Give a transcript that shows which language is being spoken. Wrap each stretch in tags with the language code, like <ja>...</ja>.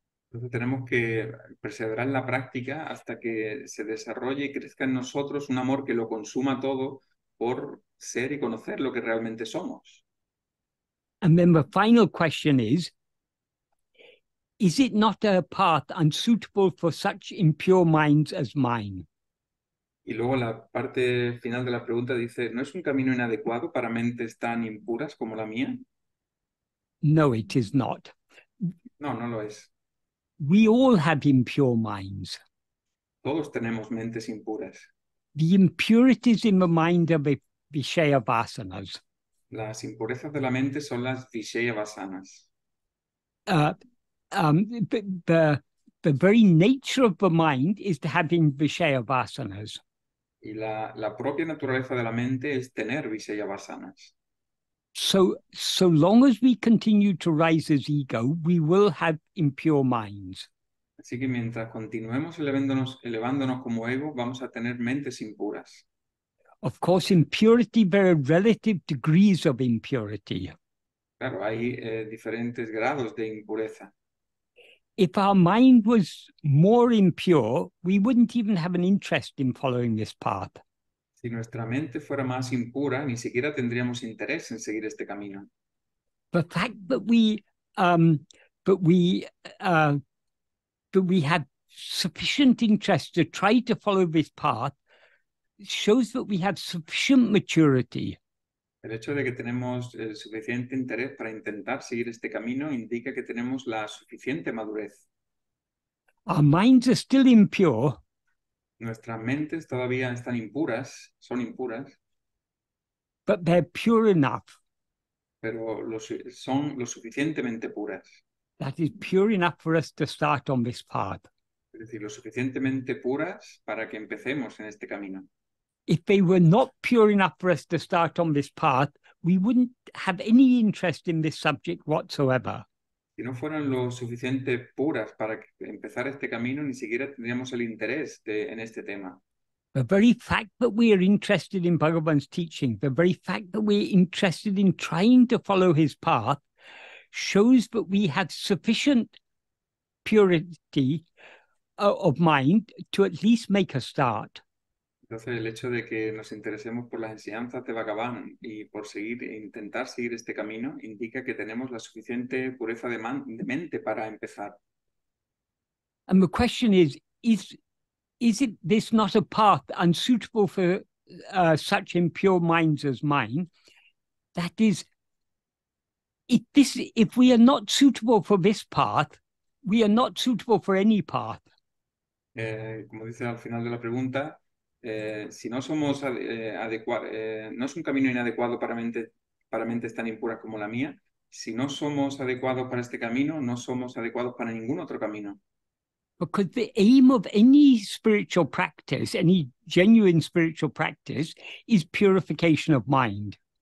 <es>Entonces tenemos que perseverar en la práctica hasta que se desarrolle y crezca en nosotros un amor que lo consuma todo por ser y conocer lo que realmente somos.</es> <en>And then the final question is it not a path unsuitable for such impure minds as mine?</en> <es>Y luego la parte final de la pregunta dice, ¿no es un camino inadecuado para mentes tan impuras como la mía?</es> <en>No, it is not.</en> <es>No lo es.</es> <en>We all have impure minds.</en> <es>Todos tenemos mentes impuras.</es> <en>The impurities in the mind are the vishaya vasanas.</en> <es>Las impurezas de la mente son las vishaya vasanas.</es> <en>The very nature of the mind is to have vishaya vasanas.</en> <es>Y la propia naturaleza de la mente es tener vishaya vasanas.</es> <en>So long as we continue to rise as ego, we will have impure minds.</en> <es>Así que mientras continuemos elevándonos como ego, vamos a tener mentes impuras.</es> <en>Of course, impurity, there are relative degrees of impurity.</en> <es>Claro, hay diferentes grados de impureza.</es> <en>If our mind was more impure, we wouldn't even have an interest in following this path.</en> <es>Si nuestra mente fuera más impura, ni siquiera tendríamos interés en seguir este camino.</es> <en>The fact that we have sufficient interest to try to follow this path shows that we have sufficient maturity.</en> <es>El hecho de que tenemos el suficiente interés para intentar seguir este camino indica que tenemos la suficiente madurez.</es> <en>Our minds are still impure.</en> <es>Nuestras mentes todavía están impuras, son impuras.</es> <en>But they're pure enough.</en> <es>pero son lo suficientemente puras.</es> <en>That is pure enough for us to start on this path.</en> <es>Es decir, lo suficientemente puras para que empecemos en este camino.</es> <en>If they were not pure enough for us to start on this path, we wouldn't have any interest in this subject whatsoever.</en> <es>Si no fueran lo suficiente puras para empezar este camino, ni siquiera tendríamos el interés en este tema.</es> <en>The very fact that we are interested in Bhagavan's teaching, the very fact that we're interested in trying to follow his path, shows that we have sufficient purity of mind to at least make a start.</en> <es>Entonces, el hecho de que nos interesemos por las enseñanzas de Bhagavan y por intentar seguir este camino indica que tenemos la suficiente pureza de mente para empezar.</es> <en>And the question is it this not a path unsuitable for such impure minds as mine? That is, if we are not suitable for this path, we are not suitable for any path.</en> <es>Como dice al final de la pregunta, si no somos no es un camino inadecuado para mentes tan impuras como la mía. Si no somos adecuados para este camino, no somos adecuados para ningún otro camino.</es> <en>Because the aim of any spiritual practice, any genuine spiritual practice, is purification of mind.</en>